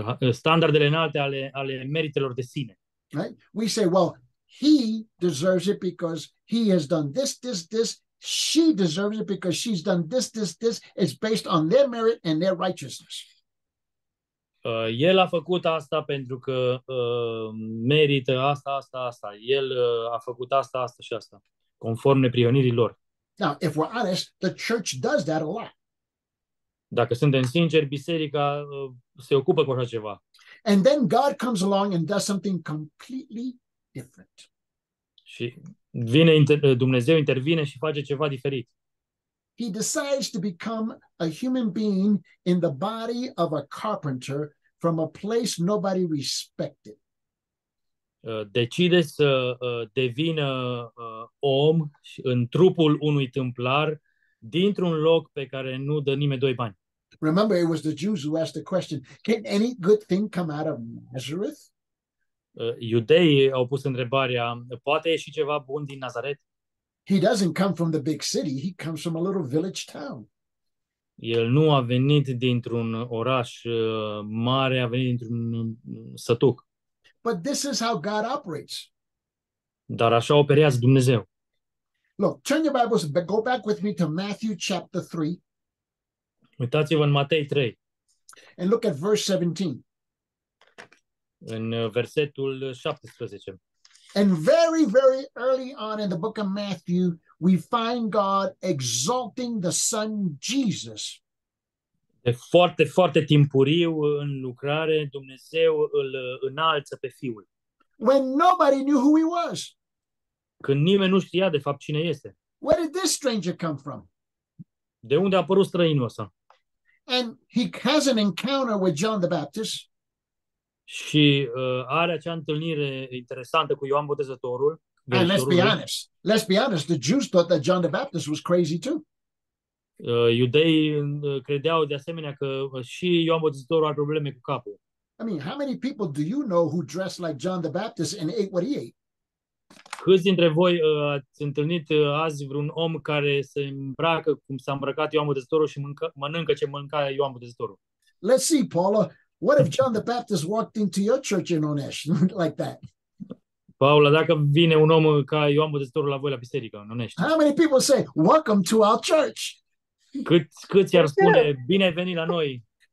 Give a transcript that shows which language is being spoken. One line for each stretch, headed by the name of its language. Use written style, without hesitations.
Romanian: Standardele înalte ale meritelor de sine.
English: Right? We say, well, he deserves it because he has done this, this, this. She deserves it because she's done this, this, this. It's based on their merit and their righteousness.
Romanian: El a făcut asta pentru că merită asta, asta, asta. El a făcut asta, asta și asta, conform neprihănirii lor.
English: Now, if we're honest, the church does that a lot.
Romanian: Dacă suntem sinceri, biserica se ocupă cu așa ceva.
English: And then God comes along and does something completely different.
Romanian: Și vine Dumnezeu intervine și face ceva diferit.
English: He decides to become a human being in the body of a carpenter from a place nobody respected.
Romanian: Decide să devină om în trupul unui tâmplar dintr-un loc pe care nu dă nimeni doi bani.
English: Remember, it was the Jews who asked the question, can any good thing come out of Nazareth?
Romanian: Iudeii au pus întrebarea, poate ieși ceva bun din Nazaret?
English: He doesn't come from the big city, he comes from a little village town.
Romanian: El nu a venit dintr-un oraș mare, a venit dintr-un sătuc.
English: But this is how God operates.
Romanian: Dar așa operează Dumnezeu.
English: Look, turn your Bibles, go back with me to Matthew chapter 3.
Romanian: Uitați-vă în Matei 3.
English: And look at verse 17.
Romanian: În versetul 17.
English: And very, very early on in the book of Matthew, we find God exalting the Son Jesus.
Romanian: De foarte, foarte timpuriu în lucrare, Dumnezeu îl înalță pe Fiul.
English: When nobody knew who he was.
Romanian: Când nimeni nu știa de fapt cine este.
English: Where did this stranger come from?
Romanian: De unde a apărut străinul ăsta?
English: And he has an encounter with John the Baptist.
Romanian: Și are acea întâlnire interesantă cu Ioan Botezătorul.
English: And let's be honest. Let's be honest. The Jews thought that John the Baptist was crazy too.
Romanian: Iudeii credeau de asemenea că și Ioan Botezătorul are probleme cu capul.
English: I mean, how many people do you know who dressed like John the Baptist and ate what he ate?
Romanian: Câți dintre voi ați întâlnit azi vreun om care se îmbracă cum s-a îmbrăcat Ioan Botezătorul și mănâncă ce mânca Ioan Botezătorul?
English: Let's see, Paula. What if John the Baptist walked into your church in Onesh like that?
Romanian: Paula, dacă vine un om ca Ioan Botezătorul la voi la biserică în Onesh.
English: How many people say, "Welcome to our church"?
Romanian: Câți i-ar spune, "Binevenit la noi"?